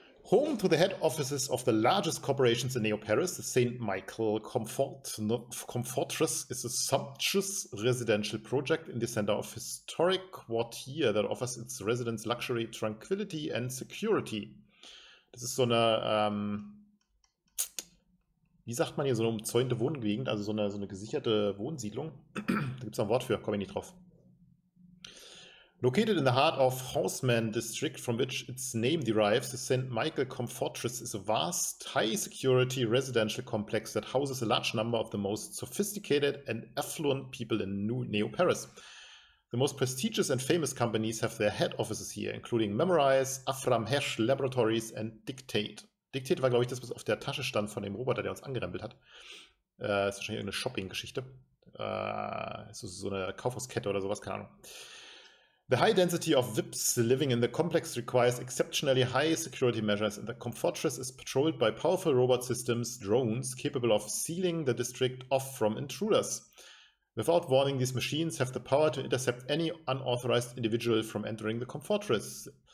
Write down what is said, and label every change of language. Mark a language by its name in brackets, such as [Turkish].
[English] Home to the head offices of the largest corporations in Neo Paris, the Saint Michel Comfortress is a sumptuous residential project in the center of historic quartier that offers its residents luxury, tranquility and security. [German] Das ist so eine, wie sagt man hier, so eine umzäunte Wohngegend, also so eine gesicherte Wohnsiedlung. Da gibt es ein Wort für, komme ich nicht drauf. [English] Located in the heart of Haussmann District, from which its name derives, the St. Michael Comfortress is a vast, high-security residential complex that houses a large number of the most sophisticated and affluent people in New Neo-Paris. The most prestigious and famous companies have their head offices here, including Memorize, Afram Hersch Laboratories and Dictate. [German] Diktiert war, glaube ich, das, was auf der Tasche stand von dem Roboter, der uns angerempelt hat. Ist wahrscheinlich irgendeine Shopping-Geschichte. Ist so eine Kaufhauskette oder sowas, keine Ahnung. [English] The high density of VIPs living in the complex requires exceptionally high security measures and the Comfortress is patrolled by powerful robot systems, drones, capable of sealing the district off from intruders. Without warning, these machines have the power to intercept any unauthorized individual from entering the Comfortress.